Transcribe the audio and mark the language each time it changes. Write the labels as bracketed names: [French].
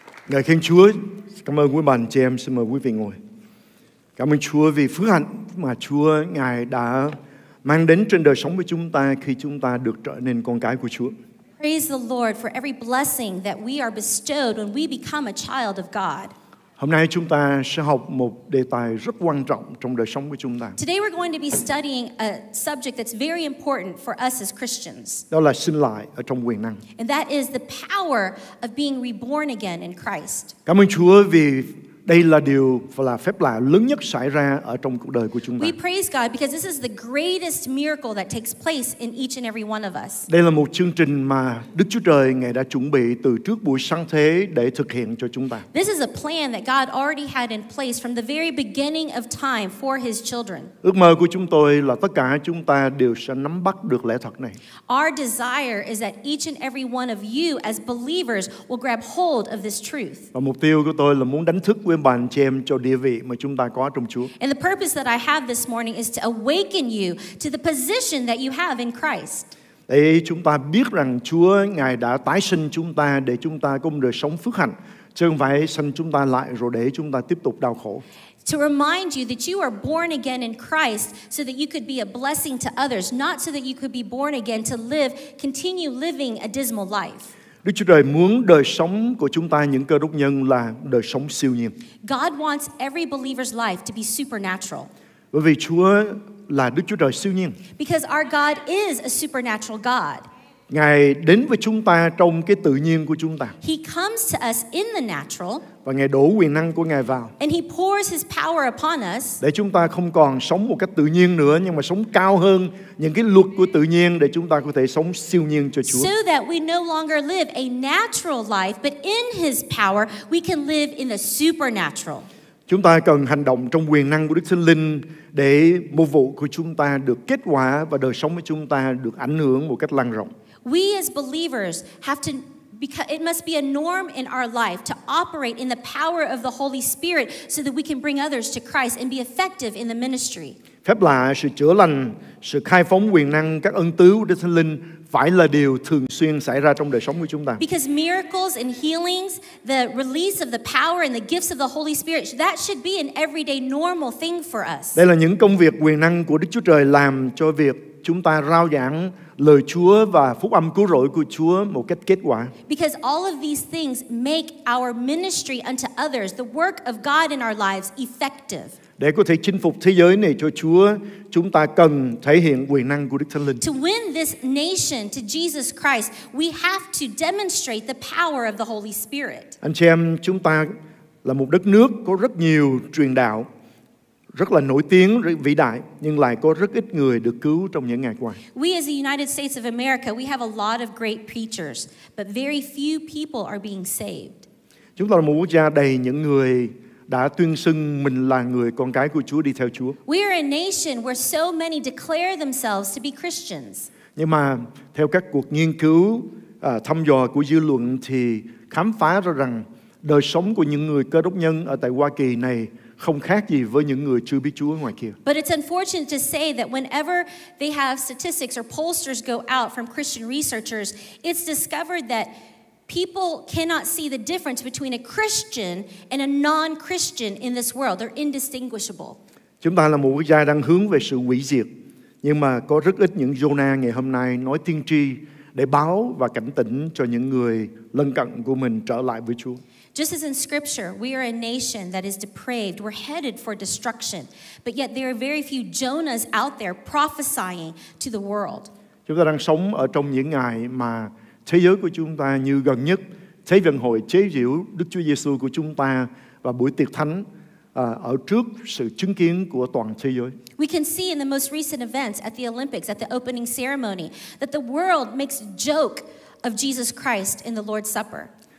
[Vietnamese] Ngài khen Chúa, cảm ơn quý bạn chị em, xin mời quý vị ngồi. Cảm ơn Chúa vì phước hạnh mà Chúa Ngài đã mang đến trên đời sống của chúng ta khi chúng ta được trở nên con cái của Chúa. [English] Praise the Lord for every blessing that we are bestowed when we become a child of God. [Vietnamese] Hôm nay chúng ta sẽ học một đề tài rất quan trọng trong đời sống của chúng ta. [English] Today we're going to be studying a subject that's very important for us as Christians. [Vietnamese] Đó là sinh lại ở trong quyền năng. [English] And that is the power of being reborn again in Christ. [Vietnamese] Cảm ơn Chúa vì đây là điều và là phép lạ lớn nhất xảy ra ở trong cuộc đời của chúng ta. [English] We praise God because this is the greatest miracle that takes place in each and every one of us. [Vietnamese] Đây là một chương trình mà Đức Chúa Trời Ngài đã chuẩn bị từ trước buổi sáng thế để thực hiện cho chúng ta. [English] This is a plan that God already had in place from the very beginning of time for his children. [Vietnamese] Ước mơ của chúng tôi là tất cả chúng ta đều sẽ nắm bắt được lẽ thật này. [English] Our desire is that each and every one of you as believers will grab hold of this truth. [Vietnamese] Và mục tiêu của tôi là muốn đánh thức quý bạn chị em cho địa vị mà chúng ta có trong Chúa. [English] And the purpose that I have this morning is to awaken you to the position that you have in Christ. [Vietnamese] Để chúng ta biết rằng Chúa Ngài đã tái sinh chúng ta để chúng ta có một đời sống phước hạnh, chứ không phải sinh chúng ta lại rồi để chúng ta tiếp tục đau khổ. [English] To remind you that you are born again in Christ so that you could be a blessing to others, not so that you could be born again to continue living a dismal life. [Vietnamese] Đức Chúa Trời muốn đời sống của chúng ta những cơ đốc nhân là đời sống siêu nhiên. [English] God wants every believer's life to be supernatural. [Vietnamese] Bởi vì Chúa là Đức Chúa Trời siêu nhiên. [English] Because our God is a supernatural God. [Vietnamese] Ngài đến với chúng ta trong cái tự nhiên của chúng ta. [English] He comes to us in the natural. [Vietnamese] Và Ngài đổ quyền năng của Ngài vào. [English] And he pours his power upon us. [Vietnamese] Để chúng ta không còn sống một cách tự nhiên nữa, nhưng mà sống cao hơn những cái luật của tự nhiên để chúng ta có thể sống siêu nhiên cho Chúa. [English] So that we no longer live a natural life, but in his power we can live in the supernatural. [Vietnamese] Chúng ta cần hành động trong quyền năng của Đức Thánh Linh để mục vụ của chúng ta được kết quả và đời sống của chúng ta được ảnh hưởng một cách lan rộng. [English] We as believers have to, because it must be a norm in our life to operate in the power of the Holy Spirit so that we can bring others to Christ and be effective in the ministry. [Vietnamese] Phép lạ, sự chữa lành, sự khai phóng quyền năng, các ân tứ của Đức Thánh Linh phải là điều thường xuyên xảy ra trong đời sống của chúng ta. [English] Because miracles and healings, the release of the power and the gifts of the Holy Spirit, that should be an everyday normal thing for us. [Vietnamese] Đây là những công việc quyền năng của Đức Chúa Trời làm cho việc chúng ta rao giảng lời Chúa và phúc âm cứu rỗi của Chúa một cách kết quả. [English] Because all of these things make our ministry unto others, the work of God in our lives, effective. [Vietnamese] Để có thể chinh phục thế giới này cho Chúa, chúng ta cần thể hiện quyền năng của Đức Thánh Linh. [English] To win this nation to Jesus Christ, we have to demonstrate the power of the Holy Spirit. [Vietnamese] Anh chị em, chúng ta là một đất nước có rất nhiều truyền đạo, rất là nổi tiếng, rất vĩ đại, nhưng lại có rất ít người được cứu trong những ngày qua. [English] We as the United States of America, we have a lot of great preachers, but very few people are being saved. [Vietnamese] Chúng ta là một quốc gia đầy những người đã tuyên xưng mình là người con cái của Chúa, đi theo Chúa. [English] We are a nation where so many declare themselves to be Christians. [Vietnamese] Nhưng mà theo các cuộc nghiên cứu thăm dò của dư luận thì khám phá ra rằng đời sống của những người Cơ Đốc nhân ở tại Hoa Kỳ này không khác gì với những người chưa biết Chúa ngoài kia. [English] But it's unfortunate to say that whenever they have statistics or pollsters go out from Christian researchers, it's discovered that people cannot see the difference between a Christian and a non-Christian in this world. They're indistinguishable. [Vietnamese] Chúng ta là một quốc gia đang hướng về sự hủy diệt, nhưng mà có rất ít những Jonah ngày hôm nay nói tiên tri để báo và cảnh tỉnh cho những người lân cận của mình trở lại với Chúa. [English] Just as in Scripture, we are a nation that is depraved. We're headed for destruction. But yet there are very few Jonahs out there prophesying to the world. [Vietnamese] Chúng ta đang sống ở trong những ngày mà thế giới của chúng ta như gần nhất Thế vận hội chế giễu Đức Chúa Giêsu của chúng ta và buổi tiệc thánh ở trước sự chứng kiến của toàn thế giới. [English] We can see in the most recent events at the Olympics, at the opening ceremony, that the world makes joke of Jesus Christ in the Lord's Supper.